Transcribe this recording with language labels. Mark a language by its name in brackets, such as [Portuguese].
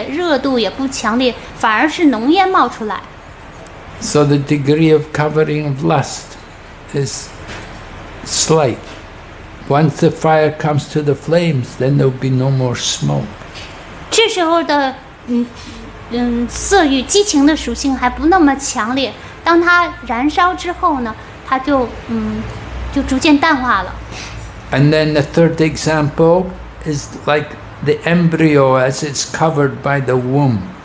[Chinese] 一个人他得就一开始呢，火焰并不强烈，热度也不强烈，反而是浓烟冒出来。 [English] So the degree of covering of lust is slight. Once the fire comes to the flames, then there will be no more smoke. [Chinese] 这时候的色欲激情的属性还不那么强烈，当它燃烧之后呢，它就逐渐淡化了。 [English] And then the third example is like the embryo as it's covered by the womb.